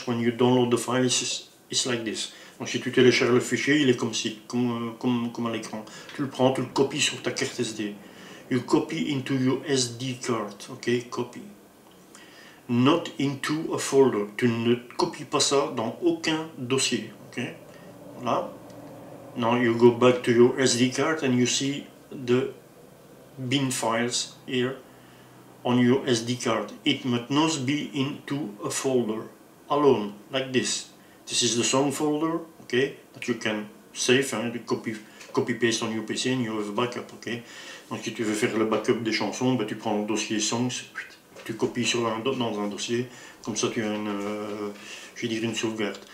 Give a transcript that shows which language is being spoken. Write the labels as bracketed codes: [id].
[en] When you download the file, it's like this. [fr] Donc si tu télécharges le fichier, il est comme ci, comme à l'écran. Tu le prends, tu le copies sur ta carte SD. [en] You copy into your SD card, ok, copy. Not into a folder. [fr] Tu ne copies pas ça dans aucun dossier, ok. Voilà. [en] Now you go back to your SD card and you see the bin files here on your SD card. It must not be into a folder alone, like this. This is the song folder, okay, that you can save, hein, copy-paste on your PC and you have a backup, okay. [fr] Donc si tu veux faire le backup des chansons, ben, tu prends le dossier songs, tu copies dans un dossier, comme ça tu as une sauvegarde.